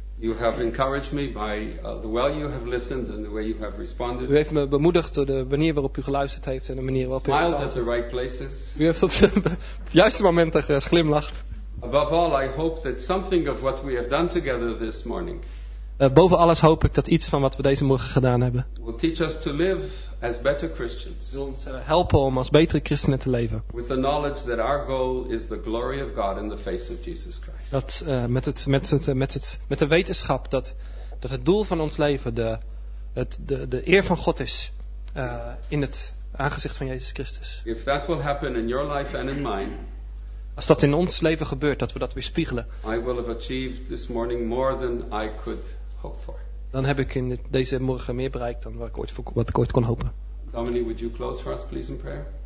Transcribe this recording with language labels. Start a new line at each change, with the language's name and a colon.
English: You have encouraged me by the way you have listened and the way you have responded.
Dutch: U heeft me bemoedigd door de manier waarop u geluisterd heeft en de manier waarop u
English: smiled
Dutch: heeft
English: at the right places.
Dutch: U heeft op de juiste momenten geglimlacht.
English: Above all, I hope that something of what we have done together this morning.
Dutch: Boven alles hoop ik dat iets van wat we deze morgen gedaan hebben.
English: Will teach us to live as better Christians.
Dutch: Wil ons helpen om als betere christenen te leven.
English: With the knowledge that our goal is the glory of God in the face of Jesus Christ.
Dutch: Dat met de wetenschap dat het doel van ons leven de eer van God is in het aangezicht van Jezus Christus.
English: If that will happen in your life and in mine.
Dutch: Als dat in ons leven gebeurt, dat we dat weer spiegelen.
English: I will have achieved this morning more than I could hope for.
Dutch: Dan heb ik in deze morgen meer bereikt dan wat ik ooit kon hopen.
English: Dominee, would you close for us, please, in prayer?